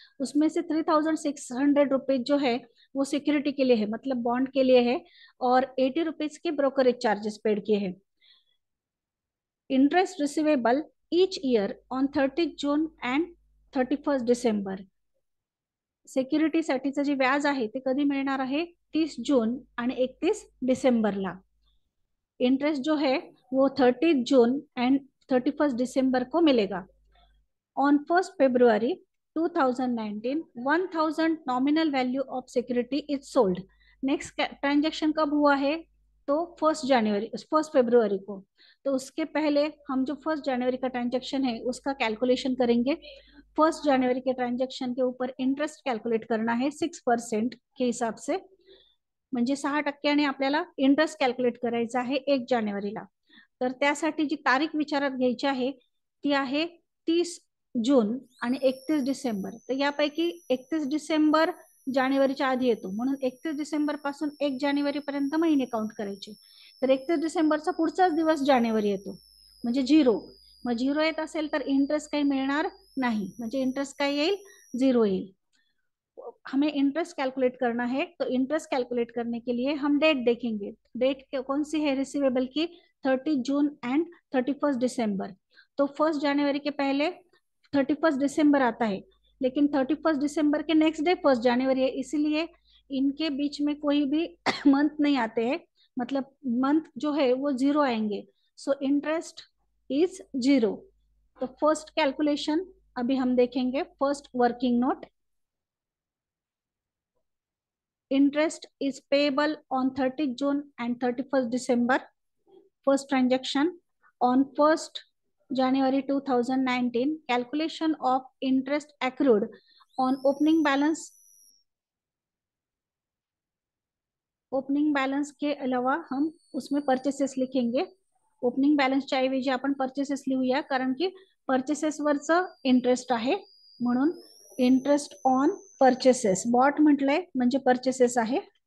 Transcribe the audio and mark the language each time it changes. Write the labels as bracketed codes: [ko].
[hi] उसमें से 3,600 रुपीज जो है वो सिक्योरिटी के लिए है, मतलब बॉन्ड के लिए है, और 80 रुपीज के ब्रोकरेज चार्जेस पेड किए हैं। [en] Interest receivable each year on 30 June and 31 December. [mr] Security साठीचं जे व्याज आहे ते कधी मिळणार आहे, 30 जून आणि 31 डिसेंबरला। [hi] इंटरेस्ट जो है वो 30 जून एंड 31 डिसेंबर को मिलेगा। [en] On 1 February 2019 1,000 nominal value of security is sold. [hi] Next transaction कब हुआ है, तो 1 फेब्रुवरी को। तो उसके पहले हम जो 1 जनवरी का ट्रांजेक्शन है उसका कैलकुलेशन करेंगे। 1 जनवरी के ट्रांजेक्शन के ऊपर इंटरेस्ट कैलकुलेट करना है 6% के हिसाब से, [mr] म्हणजे 6% आपल्याला इंटरेस्ट कैलकुलेट करायचा आहे 1 जानेवारीला। तर त्यासाठी जी तारीख विचारात घ्यायची आहे ती आहे 30 जून आणि 31 डिसेंबर। तर यापैकी 31 डिसेंबर जानेवारीच्या आधी येतो, म्हणून 31 डिसेंबर पासून 1 जानेवारीपर्यंत महिने काउंट करायचे। तर 31 डिसेंबरचा पुढचाच दिवस जानेवारी येतो, म्हणजे 0। मग 0 येत असेल तर इंटरेस्ट काही मिळणार नाही, म्हणजे इंटरेस्ट काय येईल, 0 येईल। [hi] हमें इंटरेस्ट कैलकुलेट करना है, तो इंटरेस्ट कैलकुलेट करने के लिए हम डेट देखेंगे। डेट कौन सी है रिसीवेबल की, 30 जून एंड 31 डिसेंबर। तो 1 जानेवरी के पहले 31 डिसेंबर आता है, लेकिन 31 डिसेंबर के नेक्स्ट डे 1 जानेवरी है, इसीलिए इनके बीच में कोई भी मंथ नहीं आते हैं, मतलब मंथ जो है वो 0 आएंगे। [en] So interest is 0। [hi] तो फर्स्ट कैलकुलेशन अभी हम देखेंगे। [en] First working note, interest is payable on 30 June and 31 December. First transaction on 1 January 2019 calculation of interest accrued on opening balance [hi] opening balance के अलावा हम उसमें परचेसेस लिखेंगे। [mr] ओपनिंग बैलेंस चाहे वे जे आपण परचेसेस लिहूया, कारण की परचेसेसवरच इंटरेस्ट आहे, म्हणून इंटरेस्ट ऑन परचेसेस बॉट म्हटलंय म्हणजे परचेसेस आहे।